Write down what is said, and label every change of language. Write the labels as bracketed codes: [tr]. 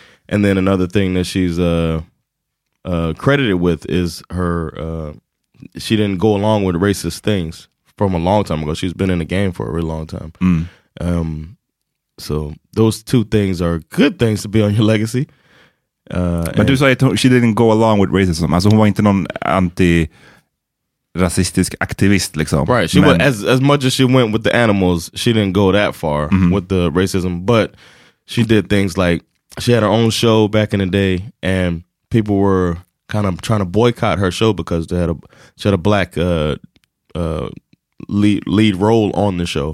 [en] And then another thing that she's credited with is her, she didn't go along with racist things. From a long time ago. She's been in the game for a really long time. Mm. So those two things are good things to be on your legacy. But [sv] du sa att [en] she didn't go along with racism. [sv] Alltså hon var inte någon anti-rasistisk aktivist liksom. [en] Right. She went, as much as she went with the animals, she didn't go that far with the racism. But she did things like, she had her own show back in the day and people were kind of trying to boycott her show because they had she had a black lead role on the show.